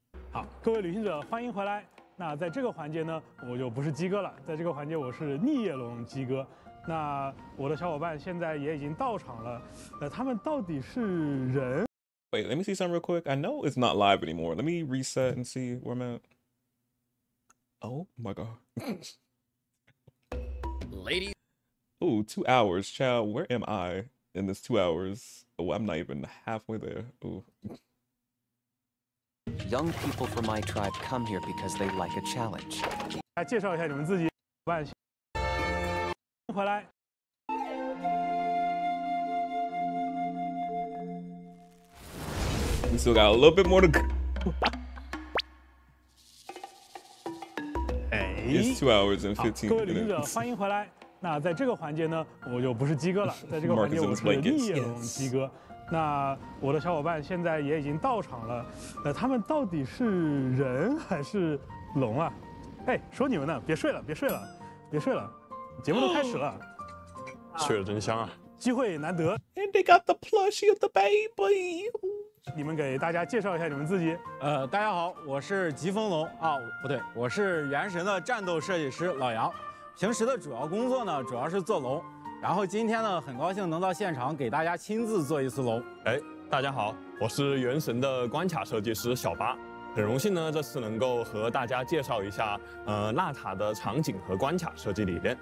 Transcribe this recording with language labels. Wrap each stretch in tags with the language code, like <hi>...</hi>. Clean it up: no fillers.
<zh>好，各位旅行者，欢迎回来。那在这个环节呢，我就不是鸡哥了，在这个环节我是逆夜龙鸡哥。那我的小伙伴现在也已经到场了，他们到底是人？</zh> <en>Wait, let me see something real quick. I know it's not live anymore. Let me reset and see where I'm at. Oh my god. Ladies. Ooh, 2 hours, child. Where am I in this 2 hours? Oh, I'm not even halfway there. Ooh. Young people from my tribe come here because they like a challenge.</en> <zh>来介绍一下你们自己。回来。</zh> <en>We still got a little bit more to go. Hey. It's 2 hours and 15 minutes.</en> <zh>各位旅行者，欢迎回来。那在这个环节呢，我就不是鸡哥了。在这个环节，我是逆夜龙鸡哥。那我的小伙伴现在也已经到场了。那他们到底是人还是龙啊？哎，说你们呢，别睡了，别睡了，别睡了，节目都开始了。睡得真香啊！机会难得。</zh> <en>And they got the plushie of the baby.</en> <zh>你们给大家介绍一下你们自己。大家好，我是疾风龙啊，不对，我是原神的战斗设计师老杨。平时的主要工作呢，主要是做龙。然后今天呢，很高兴能到现场给大家亲自做一次龙。哎，大家好，我是原神的关卡设计师小八，很荣幸呢，这次能够和大家介绍一下，纳塔的场景和关卡设计理念。</zh>